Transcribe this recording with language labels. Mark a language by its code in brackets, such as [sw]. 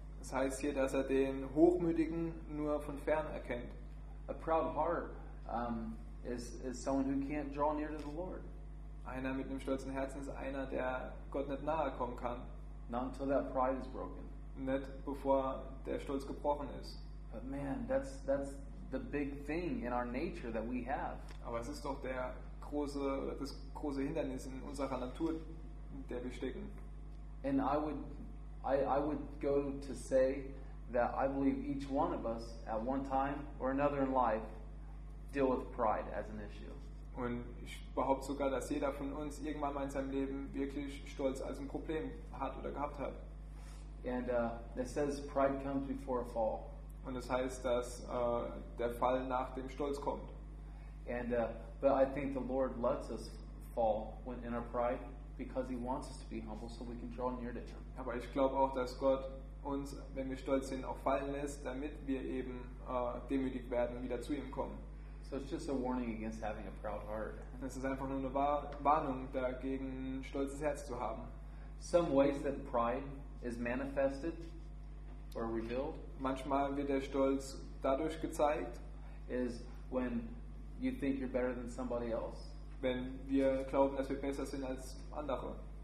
[de] Das heißt hier, dass er den Hochmütigen nur von fern erkennt. [en] A proud heart is someone who can't draw near to the Lord. [de] Einer mit einem stolzen Herzen ist einer, der Gott nicht nahe kommen kann. [en] Not until that pride is broken. [de] Nicht bevor der Stolz gebrochen ist. [en] But man, that's the big thing in our nature that we have. [de] Aber es ist doch das große Hindernis in unserer Natur, in der wir stecken. [en] And I would go to say that I believe each one of us at one time or another in life deal with pride as an issue. [de] Und ich behaupte sogar, dass jeder von uns irgendwann mal in seinem Leben wirklich Stolz als ein Problem hat oder gehabt hat. [en] And it says pride comes before a fall. [de] Und es heißt, dass der Fall nach dem Stolz kommt. [en] And but I think the Lord lets us fall when in our pride because he wants us to be humble so we can draw near to him. [de] Aber ich glaube auch, dass Gott uns, wenn wir stolz sind, auch fallen lässt, damit wir eben demütig werden und wieder zu ihm kommen. [en] So it's just a warning against having a proud heart. [de] Das ist einfach nur eine Warnung dagegen, stolzes Herz zu haben. [en] Some ways that pride is manifested or revealed. [de] Manchmal wird der Stolz dadurch gezeigt, [en] is when you think you're better than somebody else. [de] Wenn wir glauben, dass wir besser sind als andere.